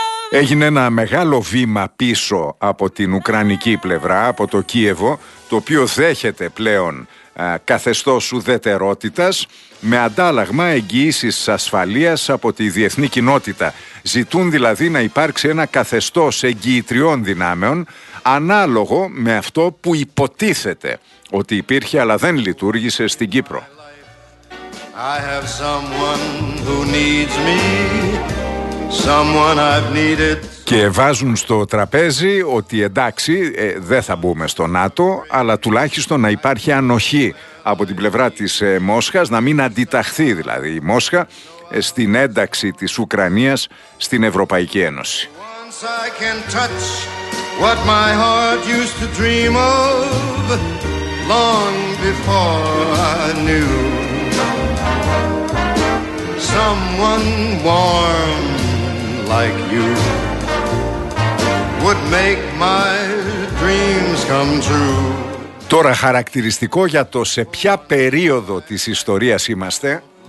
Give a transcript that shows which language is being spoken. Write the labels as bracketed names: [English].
[Greek] Έγινε ένα μεγάλο βήμα πίσω από την ουκρανική πλευρά, από το Κίεβο, το οποίο δέχεται πλέον καθεστώς ουδετερότητας, με αντάλλαγμα εγγυήσεις ασφαλείας από τη διεθνή κοινότητα. Ζητούν δηλαδή να υπάρξει ένα καθεστώς εγγυητριών δυνάμεων ανάλογο με αυτό που υποτίθεται ότι υπήρχε αλλά δεν λειτουργήσε στην Κύπρο. [English] I have someone who needs me. Someone I've needed. [Greek] Και βάζουν στο τραπέζι ότι εντάξει, δεν θα μπούμε στο ΝΑΤΟ, αλλά τουλάχιστον να υπάρχει ανοχή από την πλευρά της Μόσχας, να μην αντιταχθεί δηλαδή η Μόσχα στην ένταξη της Ουκρανίας στην Ευρωπαϊκή Ένωση. [English] Once I can touch what my heart used to dream of, long before I knew someone warm like you. Would make my dreams come true. [Greek] Τώρα χαρακτηριστικό για το σε ποια περίοδο της ιστορίας είμαστε.